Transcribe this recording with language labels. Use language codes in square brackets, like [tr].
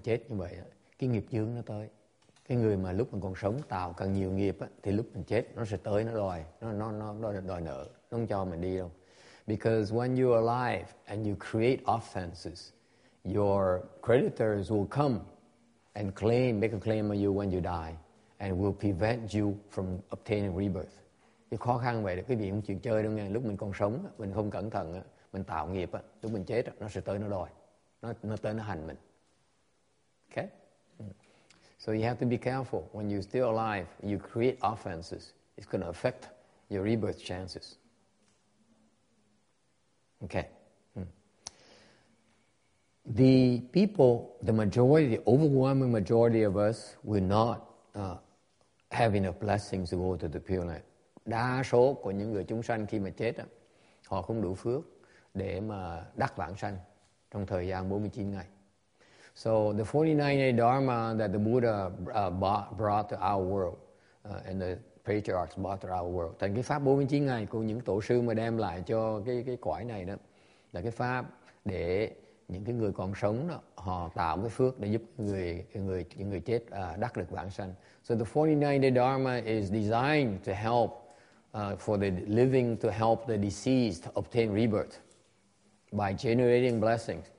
[vi] chết như vậy, cái nghiệp chướng nó tới. Cái người mà lúc mà còn sống tạo càng nhiều nghiệp á, thì lúc mình chết nó sẽ tới, nó đòi, nó đòi nợ, nó không cho mình đi đâu. [en] Because when you are alive and you create offenses, your creditors will come and claim, make a claim on you when you die, and will prevent you from obtaining rebirth. [vi] Cái khó khăn vậy là quý vị không chịu chơi đâu nghe. Lúc mình còn sống, mình không cẩn thận, mình tạo nghiệp, lúc mình chết nó sẽ tới, nó đòi, nó tới, nó hành mình. [en] Okay? So you have to be careful. When you're still alive, you create offenses, it's going to affect your rebirth chances. Okay. The people, the majority, the overwhelming majority of us will not have enough blessings to go to the Pure Land. [vi] Đa số của những người chúng sanh khi mà chết, họ không đủ phước để mà đắc vãng sanh trong thời gian 49 ngày. [en] So the 49 Dharma that the Buddha brought to our world and the patriarchs brought to our world. [vi] Thành cái pháp 49 ngày của những tổ sư mà đem lại cho cái cõi này đó là cái pháp để những cái người còn sống đó, họ tạo cái phước để giúp người chết đắc được vãng sanh. [en] So the 49 Dharma is designed to help for the living, to help the deceased obtain rebirth by generating blessings,